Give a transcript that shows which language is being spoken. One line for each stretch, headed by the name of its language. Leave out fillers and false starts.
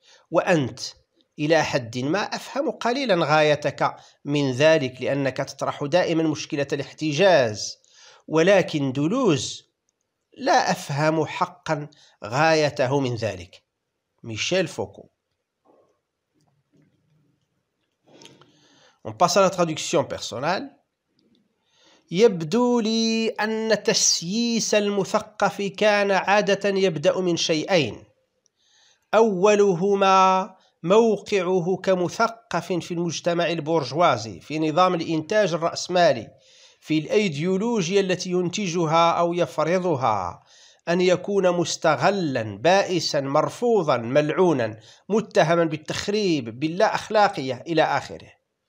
Arabic: Wa ant إلى حد ما أفهم قليلا غايتك من ذلك لأنك تطرح دائما مشكلة الاحتجاز ولكن دولوز لا أفهم حقا غايته من ذلك. ميشيل فوكو.
French: On passe à la traduction personnelle.
Arabic: يبدو لي أن تسييس المثقف كان عادة يبدأ من شيئين. أولهما موقعه كمثقف في المجتمع البرجوازي في نظام الإنتاج الرأسمالي في الأيديولوجيا التي ينتجها أو يفرضها أن يكون مستغلا بائسا مرفوضا ملعونا متهما بالتخريب باللا أخلاقية إلى آخره